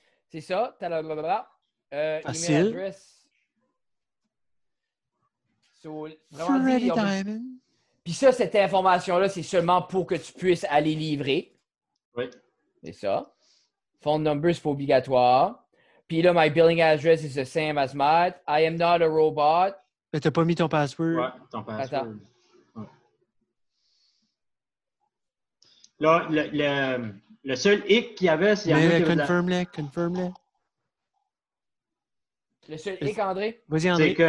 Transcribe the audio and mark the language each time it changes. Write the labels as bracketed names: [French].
[French] C'est ça. T'as la blablabla. Facile. [English] So, Freddy Diamond. [French] Puis ça, cette information-là, c'est seulement pour que tu puisses aller livrer. Oui. C'est ça. Phone number, c'est pas obligatoire. Puis là, [English] my billing address is the same as Matt. I am not a robot. [French] Mais t'as pas mis ton password. Ouais, ton password. Attends. Ouais. Là, le seul hic qu'il y avait, c'est... Mais confirm-le. Le seul hic, André? Vas-y, André.